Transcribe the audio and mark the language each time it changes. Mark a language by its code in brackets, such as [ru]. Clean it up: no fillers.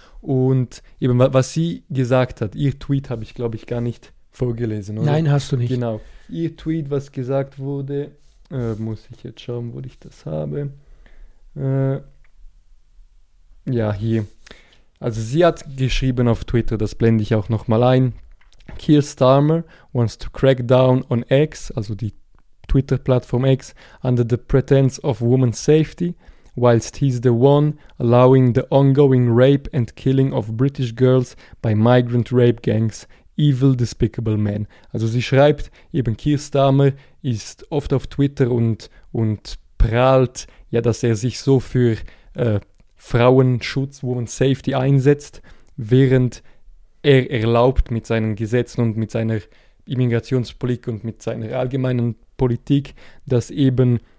[de] Und eben, was sie gesagt hat, ihr Tweet habe ich, glaube ich, gar nicht vorgelesen, oder? Nein, hast du nicht. Genau. Ihr Tweet, was gesagt wurde, muss ich jetzt schauen, wo ich das habe. Ja, hier. Also sie hat geschrieben auf Twitter, das blende ich auch nochmal ein. [en] Keir Starmer wants to crack down on X, [de] also die Twitter-Plattform X, [en] under the pretense of woman's safety, whilst he's the one allowing the ongoing rape and killing of British girls by migrant rape gangs, evil, despicable man. [de] Also sie schreibt, eben Keir Starmer ist oft auf Twitter und prahlt, ja, dass er sich so für Frauenschutz, [en] woman's safety [de] einsetzt, während er erlaubt mit seinen Gesetzen und mit seiner Immigrationspolitik und mit seiner allgemeinen Politik, dass eben